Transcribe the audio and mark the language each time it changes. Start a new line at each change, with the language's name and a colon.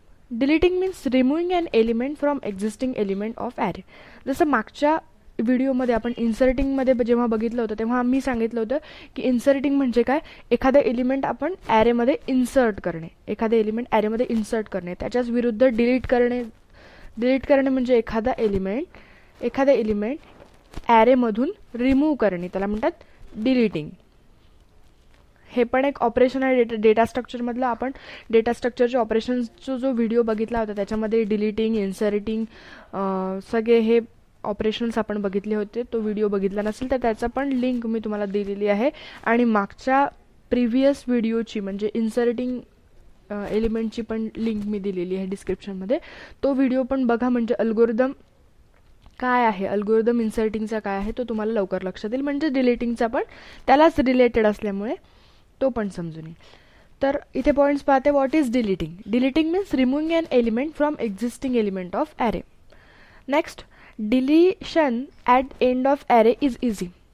English: Deleting means removing an element from existing element of array.
Marathi: जसं मागच्या व्हिडिओमध्ये आपण इन्सर्टिंगमध्ये जेव्हा बघितलं होतं तेव्हा आम्ही सांगितलं होतं की इन्सर्टिंग म्हणजे काय, एखादं एलिमेंट आपण ॲरेमध्ये इन्सर्ट करणे, एखादं एलिमेंट ॲरेमध्ये इन्सर्ट करणे, त्याच्याच विरुद्ध डिलीट करणे म्हणजे एखादं एलिमेंट ॲरेमधून रिमूव्ह करणे, त्याला म्हणतात डिलिटिंग. हे पण एक ऑपरेशन आहे डेटा स्ट्रक्चरमधलं. आपण डेटा स्ट्रक्चरचे ऑपरेशन्सचा जो व्हिडिओ बघितला होता त्याच्यामध्ये डिलिटिंग इन्सर्टिंग सगळे हे ऑपरेशन्स आपण बघितले होते. तो व्हिडिओ बघितला नसेल तर त्याचा पण लिंक मी तुम्हाला दिलेली आहे. आणि मागच्या प्रिव्हियस व्हिडिओची म्हणजे इन्सर्टिंग एलिमेंटची पण लिंक मी दिलेली आहे डिस्क्रिप्शनमध्ये. तो व्हिडिओ पण बघा म्हणजे अल्गोरिदम काय आहे, अल्गोरिदम इन्सर्टिंगचा काय आहे तो तुम्हाला लवकर लक्षात येईल. म्हणजे डिलिटिंगचा पण त्यालाच रिलेटेड असल्यामुळे तो पण समजून येईल. तर इथे पॉईंट्स पाहते,
English: What is deleting. Deleting means removing an element from existing element of array. Next, deletion at end of array is easy.